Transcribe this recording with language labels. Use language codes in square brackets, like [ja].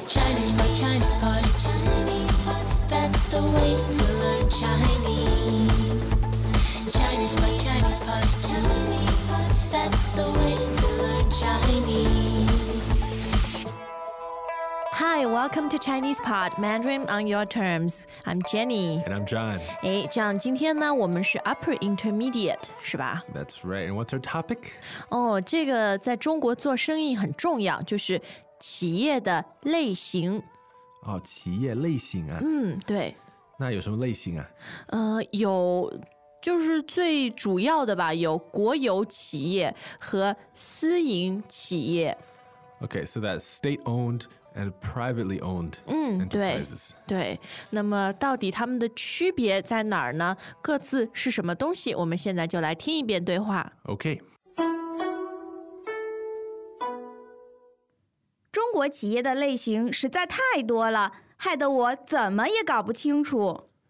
[en] Chinese pod, Chinese pod, Chinese pod, that's the way to learn Chinese. Chinese pod, Chinese pod, Chinese pod, that's the way to learn Chinese. Hi, welcome to Chinese Pod, Mandarin on your terms. I'm Jenny. And I'm John. Hey, John, [zh] 今天呢我们是 Upper Intermediate, 是吧? [en] That's right. And what's our topic? [zh] 哦，这个在中国做生意很重要，就是企业的类型。哦，企业类型啊。嗯，对。那有什么类型啊？有，就是最主要的吧，有国有企业和私营企业。 [en] Okay, so that's state-owned and privately owned enterprises. [zh] 嗯，对，对。那么到底他们的区别在哪儿呢？各自是什么东西？我们现在就来听一遍对话。 [en] Okay. [zh] 中国企业的类型实在太多了，害得我怎么也搞不清楚。